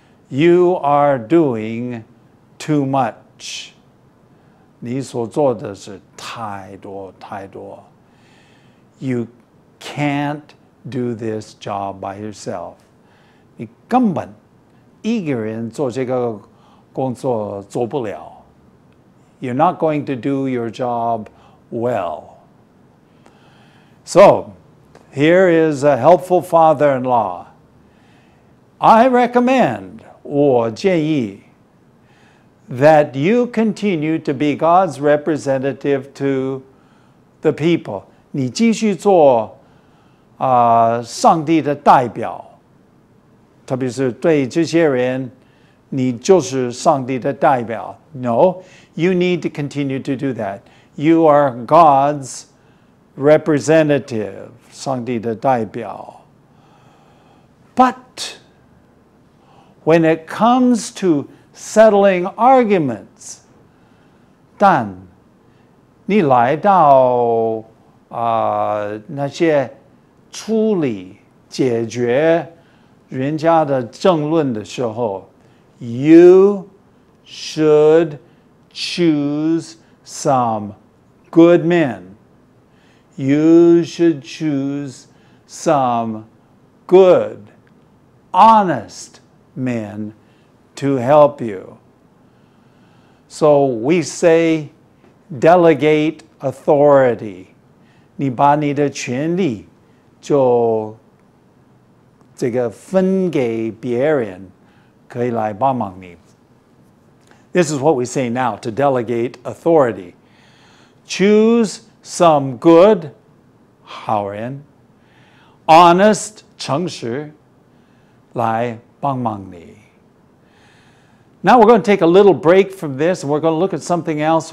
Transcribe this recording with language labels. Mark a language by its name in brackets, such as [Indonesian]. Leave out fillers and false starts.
[English] You are doing too much. [Chinese] 你所做的是太多太多。 [English] You can't do this job by yourself. [Chinese] 你根本一个人做这个工作做不了。 [English] You're not going to do your job well. So, here is a helpful father-in-law. I recommend, [Chinese] 我建议, [English] that you continue to be God's representative to the people. [Chinese] 你继续做上帝的代表，特别是对这些人，你就是上帝的代表。 [English] No, you need to continue to do that. You are God's representative, [Chinese] 上帝的代表。 [English] But when it comes to settling arguments, [Chinese] 但你来到那些处理解决人家的争论的时候 [English] ，you should choose some good men. You should choose some good, honest men to help you. So we say, delegate authority. [Chinese] 你把你的权力就这个分给别人，可以来帮忙你。 [English] This is what we say now, to delegate authority. Choose some good, 好人, honest, 诚实, [Chinese] 来帮忙你。 [English] Now we're going to take a little break from this, and we're going to look at something else.